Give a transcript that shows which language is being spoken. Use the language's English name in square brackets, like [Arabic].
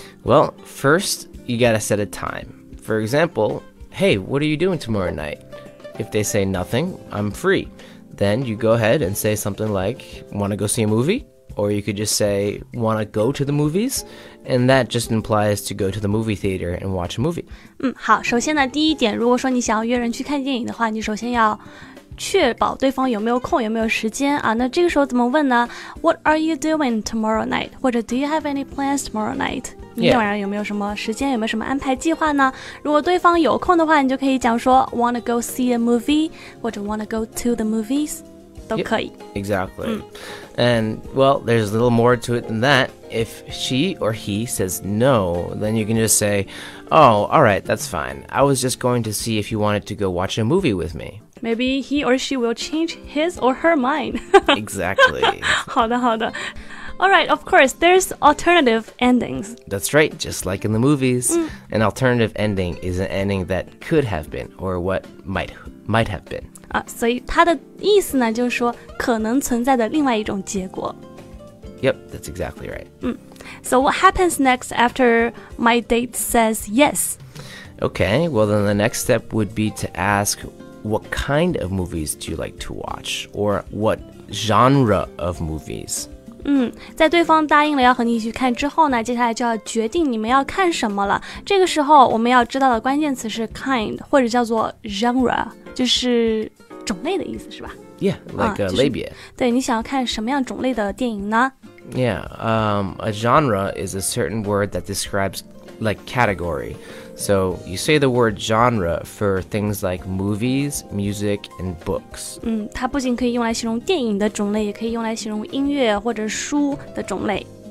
[English] Well, first, you gotta set a time. For example, hey, what are you doing tomorrow night? If they say nothing, I'm free. Then you go ahead and say something like, wanna go see a movie? Or you could just say, wanna go to the movies? And that just implies to go to the movie theater and watch a movie. [Chinese] 好，首先呢，第一点，如果说你想要约人去看电影的话，你首先要确保对方有没有空，有没有时间啊。那这个时候怎么问呢？ [English] What are you doing tomorrow night? [Chinese] 或者 [English] Do you have any plans tomorrow night? Yeah. [Chinese] 你晚上有没有什么时间，有没有什么安排计划呢？如果对方有空的话，你就可以讲说 [English] Wanna go see a movie [Chinese] 或者 [English] wanna go to the movies [Chinese] 都可以 [English] yeah, Exactly、And well, there's a little more to it than that. If she or he says no, then you can just say, Oh, alright, that's fine. I was just going to see if you wanted to go watch a movie with me Maybe he or she will change his or her mind. Exactly. [Chinese] 好的好的。 [English] Alright, of course, there's alternative endings. That's right, just like in the movies. An alternative ending is an ending that could have been, or what might have been. [Chinese] 所以它的意思呢就是说可能存在的另外一种结果。 [English] Yep, that's exactly right. So what happens next after my date says yes? Okay, well then the next step would be to ask... What kind of movies do you like to watch? Or what genre of movies? [Chinese] 在对方答应了要和你一起看之后呢，接下来就要决定你们要看什么了。这个时候我们要知道的关键词是 kind, 或者叫做 genre, 就是种类的意思是吧？ [English] Yeah, like a labia. [Chinese] 对，你想要看什么样种类的电影呢？ [English] Yeah, a genre is a certain word that describes like category. So, you say the word genre for things like movies, music, and books. [Chinese] 它不仅可以用来形容电影的种类，也可以用来形容音乐或者书的种类。